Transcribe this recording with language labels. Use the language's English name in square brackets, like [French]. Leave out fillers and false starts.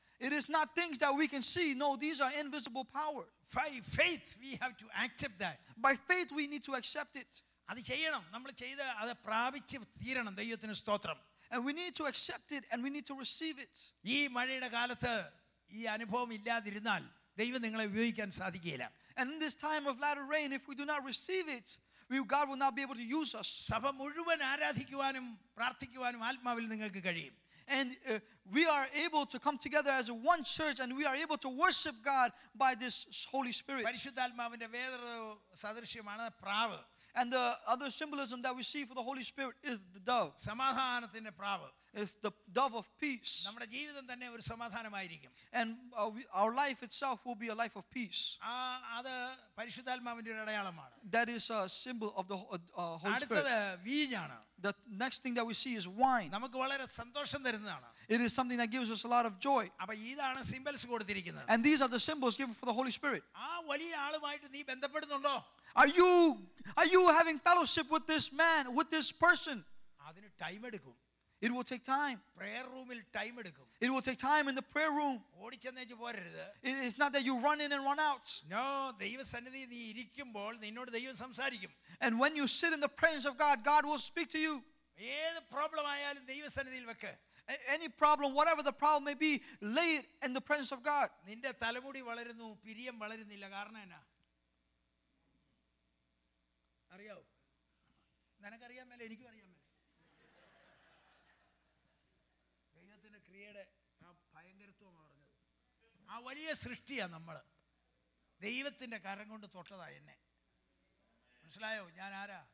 [English] It is not things that we can see. No, these are invisible powers. By faith, we have to accept that. By faith, we need to accept it. [Malayalam] അത് ചെയ്യണം. നമ്മൾ ചെയ്ത് അത് പ്രാപിച്ച് തീരണം. ദൈവത്തിന് സ്തോത്രം. [English] And we need to accept it and we need to receive it. [Malayalam] ഈ മഴയുടെ കാലത്ത് ഈ അനുഭവം ഇല്ലാതിരുന്നാൽ ദൈവം നിങ്ങളെ ഉപയോഗിക്കാൻ സാധിക്കില്ല. [English] And in this time of latter rain, if we do not receive it, God will not be able to use us. [Malayalam] സഭ മുഴുവൻ ആരാധിക്കുവാനും പ്രാർത്ഥിക്കുവാനും ആത്മാവിൽ നിങ്ങൾക്ക് കഴിയും. [English] And we are able to come together as one church and we are able to worship God by this Holy Spirit. [Malayalam] പരിശുദ്ധാത്മാവിന്റെ വേറൊരു സദൃശ്യമാണ് പ്രാവ്. [English] And the other symbolism that we see for the Holy Spirit is the dove. [Malayalam] സമാധാനത്തിന്റെ പ്രാവ്. [English] It's the dove of peace. [Malayalam] നമ്മുടെ ജീവിതം തന്നെ ഒരു സമാധാനമായിരിക്കും. [English] And our life itself will be a life of peace. [Malayalam] അത് പരിശുദ്ധാത്മാവിന്റെ ഒരു അടയാളമാണ്. [English] That is a symbol of the Holy Spirit. [Malayalam] അടുത്തത് വീഞ്ഞാണ്. [English] The next thing that we see is wine. [Malayalam] നമുക്ക് വളരെ സന്തോഷം തരുന്നതാണ്. [English] It is something that gives us a lot of joy. [Malayalam] അപ്പ ഇതാണ് സിംബൽസ് കൊടുത്തിരിക്കുന്നത്. [English] And these are the symbols given for the Holy Spirit. [Malayalam] ആ വലിയ ആളുമായിട്ട് നീ ബന്ധപ്പെടുന്നുണ്ടോ? [English] Are you having fellowship with this man, with this person? [Malayalam] അതിനെ time എടുക്കും. [English] It will take time. [Malayalam] Prayer roomിൽ time എടുക്കും. [English] It will take time in the prayer room. [Malayalam] ഓടിച്ചെന്നേജ് പോരരുത്. [English] It is not that you run in and run out. [Malayalam] No, ദൈവസന്നിധി നീ ഇരിക്കുമ്പോൾ നിന്നോട് ദൈവം സംസാരിക്കും. [English] And when you sit in the presence of God, God will speak to you. [Malayalam] ഏത് problem ആയാലും ദൈവസന്നിധിയിൽ വെക്ക്. [English] Any problem, whatever the problem may be, lay it in the presence of God. [Malayalam] നിന്റെ തലമുടി വളരുന്നു, പിരിയം വളരുന്നില്ല. കാരണം എന്നാ? അറിയാവോ? നിനക്കറിയാൻ മേലെ എനിക്കും അറിയാൻ മേലെ. ദൈവത്തിന്റെ ക്രിയയുടെ ആ ഭയങ്കരത്വമാണ് പറഞ്ഞത്. ആ വലിയ സൃഷ്ടിയാ നമ്മള്. ദൈവത്തിന്റെ കരം കൊണ്ട് തൊട്ടതാ എന്നെ. മനസ്സിലായോ? ഞാൻ ആരാ?